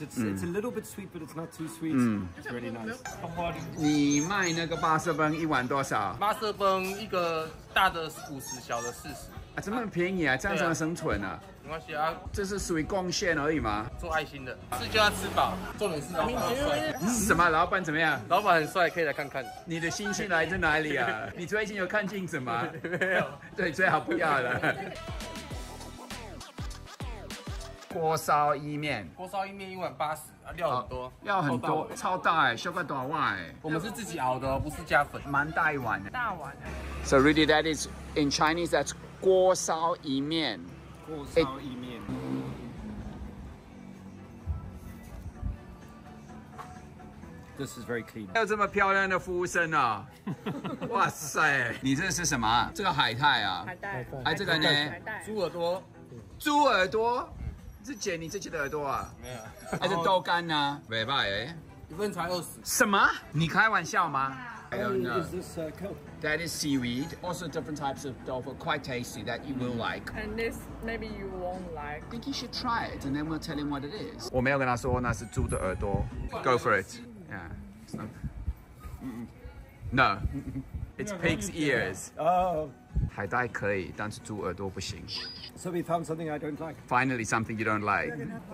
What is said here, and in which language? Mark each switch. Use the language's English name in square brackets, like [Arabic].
[English] It's a little bit sweet, but it's not too sweet. It's really nice. [Chinese] 你卖那个巴色崩一碗多少？巴色崩一个大的50，小的40。啊，这么便宜啊，这样怎么生存啊？没关系啊，这是属于贡献而已嘛。做爱心的，是就要吃饱，重点是老板帅。什么？老板怎么样？老板很帅，可以来看看。你的信息来自哪里啊？你最近有看镜子吗？没有。对，最好不要了。锅烧意面，锅烧意面一碗80，料很多，料很多，超大哎，小块短碗，我们是自己熬的，不是加粉，蛮大一碗，大碗。 [English] So really, that is in Chinese, that's 锅烧意面， [Chinese] 锅烧意面。 [English] This is very clean. [Chinese] 还有这么漂亮的服务生啊！哇塞，你这是什么？这个海带啊？海带，哎，这个呢？海带，猪耳朵，猪耳朵。是姐，你这些的耳朵啊？没有，还是豆干呢？没吧？哎，一份才20。什么？你开玩笑吗 [English] ？I don't know. Is this cod? That is seaweed. Also different types of tofu, quite tasty. That you will like. And this maybe you won't like. I think you should try it, and then we'll tell him what it is. [Chinese] 我没有跟他说那是猪的耳朵。 [English] Go for it. Yeah. No. It's pig's ears. Oh. [Chinese] 海带可以，但是猪耳朵不行。 [English] So we found something I don't like. Finally, something you don't like.